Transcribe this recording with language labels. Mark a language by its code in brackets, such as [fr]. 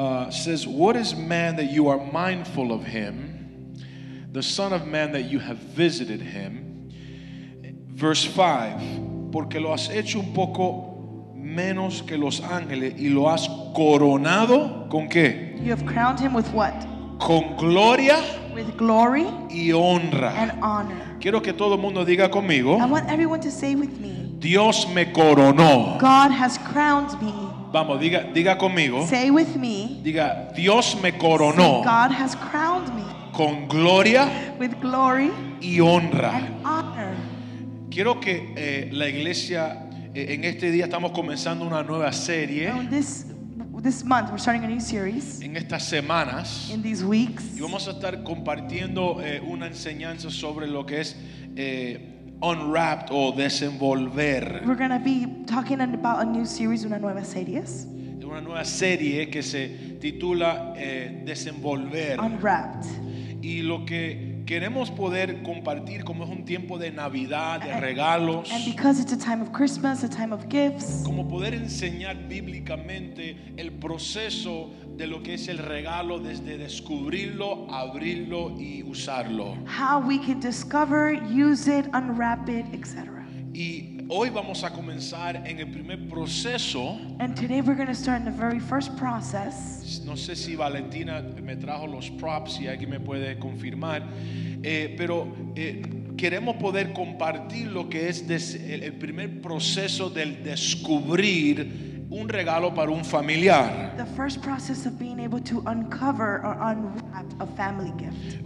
[en] Says, what is man that you are mindful of him, the son of man that you have visited him? Verse 5, [es] porque lo has hecho un poco menos que los ángeles y lo has coronado con qué? [en] You have crowned him with what? [es] Con gloria. [en] With glory. [es] Y honra. [en] And honor. [es] Quiero que todo el mundo diga conmigo. [en] I want everyone to say with me. [es] Dios me coronó. [en] God has crowned me. [es] Vamos, diga conmigo. [en] Say with me. [es] Diga, Dios me coronó. [en] Say, God has crowned me. [es] Con gloria. [en] With glory. [es] Y honra. [en] And honor. [es] Quiero que la iglesia, en este día estamos comenzando una nueva serie. [en] Well, this month we're starting a new series. [es] En estas semanas. [en] In these weeks. [es] Y vamos a estar compartiendo una enseñanza sobre lo que es unwrapped o desenvolver. [en] We're going to be talking about a new series, [es] una nueva serie. Una nueva serie que se titula Desenvolver. [en] Unwrapped. [es] Y lo que queremos poder compartir, como es un tiempo de Navidad, de regalos. [en] And because it's a time of Christmas, a time of gifts. [es] Como poder enseñar bíblicamente el proceso de lo que es el regalo desde descubrirlo, abrirlo y usarlo. [en] How we can discover, use it, unwrap it, etc. [es] Y hoy vamos a comenzar en el primer proceso. [en] And today we're going to start in the very first process. [es] No sé si Valentina me trajo los props, si alguien me puede confirmar. Queremos poder compartir lo que es el primer proceso del descubrir un regalo para un familiar. [en] The first process of being able to uncover or unwrap a family gift.